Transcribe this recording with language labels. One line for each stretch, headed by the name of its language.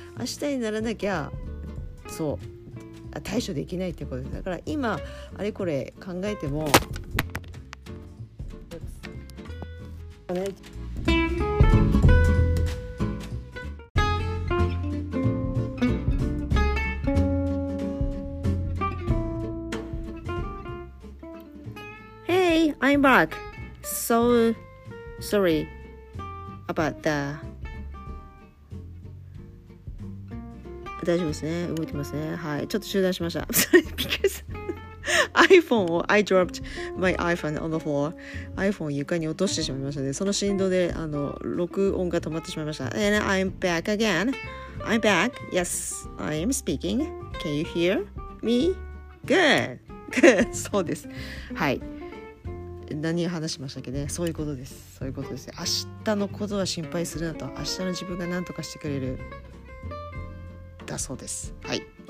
Japanese: 明日にならなきゃそう対処できないってことです。だから今あれこれ考えても
English: Hey, I'm back. So sorry about the
Japanese: 大丈夫ですね。動いてますね。はい。ちょっと中断しました。
English: Sorry, because iPhone, I dropped my iPhone on the floor.
Japanese: iPhone 床に落としてしまいましたね。その振動で録音が止まってしまいました。
English: And I'm back again. I'm back. Yes, I'm speaking. Can you hear me? Good. Good.
Japanese: そうです。はい。何を話しましたっけね。そういうことです。そういうことです。明日のことは心配するなと、明日の自分が何とかしてくれるだそうです。はい。